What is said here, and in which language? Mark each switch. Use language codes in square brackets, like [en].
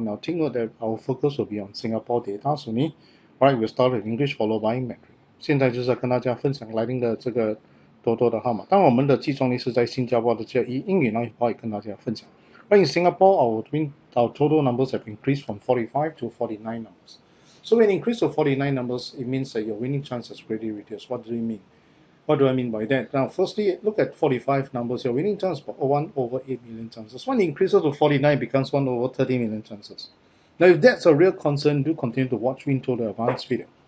[en] Now, take note that our focus will be on Singapore data. So, me, right, we'll start with English followed by Mandarin. [zh] 现在就是要跟大家分享来临的这个 Toto 的号码。但我们的集中力是在新加坡的这一英语那一块跟大家分享。 [en] But in Singapore, our Toto numbers have increased from 45 to 49 numbers. So when increase to 49 numbers, it means that your winning chance has greatly reduced. What do you mean? What do I mean by that? Now, firstly, look at 45 numbers. Your winning chance is about 1 over 8 million chances. When it increases to 49, it becomes 1 over 30 million chances. Now, if that's a real concern, do continue to watch WinToto Advance video.